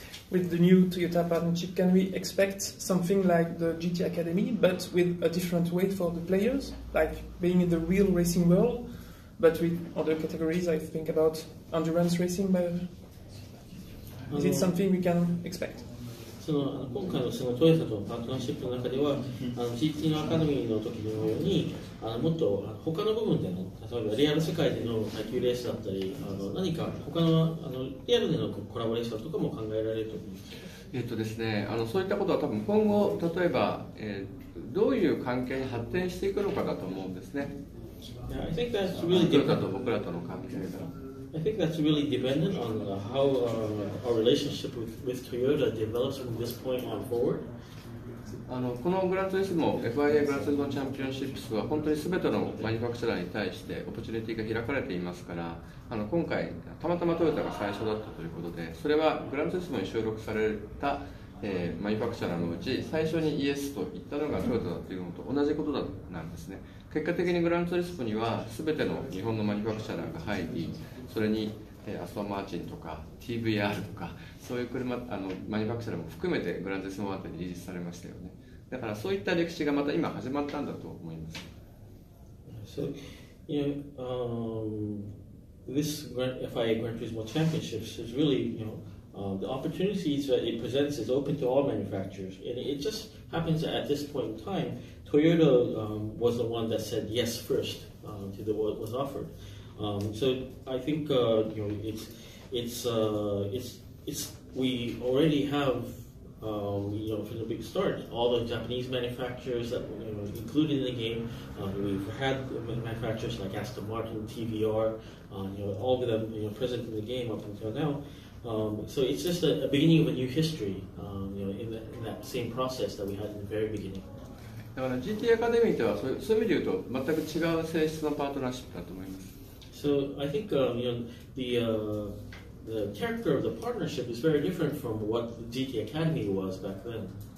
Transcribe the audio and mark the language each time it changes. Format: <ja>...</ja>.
<en>With the new Toyota partnership, can we expect something like the GT Academy, but with a different way for the players, like being in the real racing world, but with other categories? I think about endurance racing, but is it something we can expect?</en> <ja>その今回のそのトヨタとのパートナーシップの中では、GT のアカデミーの時のようにもっと他の部分での例えばリアル世界での耐久レースだったり何か他の、リアルでのコラボレーションとかも考えられると思います。ですね、そういったことは多分今後例えば、どういう関係に発展していくのかだと思うんですね。</ja> <en>Yeah, I think that's really</en> <ja>トヨタと僕らとの関係が、</ja> <en>I think that's really dependent on how our relationship with Toyota develops from this point on forward.</en> <ja>あのこのグランツリスモ FIA グランツリスモチャンピオンシップスは本当に全てのマニュファクチャーに対してオプチュニティが開かれていますから、あの今回たまたまトヨタが最初だったということで、それはグランツリスモに収録されたマニュファクチャーのうち最初にイエスと言ったのがトヨタだというのと同じことなんですね。結果的にグランツリスモには全ての日本のマニュファクチャーが入り、それにアストンマーチンとか TVR とかそういう車あのマニュファクチャーも含めてグランツリスモワールドに移植されましたよね。だからそういった歴史がまた今始まったんだと思います。</ja> <en>So, you know, this FIA Gran Turismo Championships is really, you know, the opportunities that it presents is open to all manufacturers, and it just happens that at this point in time Toyota was the one that said yes first to the what was offered. So I think you know, it's we already have you know, from the big start, all the Japanese manufacturers that, you know, included in the game. We've had manufacturers like Aston Martin, TVR, you know, all of them, you know, present in the game up until now. So it's just a beginning of a new history, you know, in that same process that we had in the very beginning.</en> <ja>だから GT アカデミーとはそういう意味で言うと全く違う性質のパートナーシップだと思います。</ja> <en>So I think, you know, the character of the partnership is very different from what the GT Academy was back then.</en>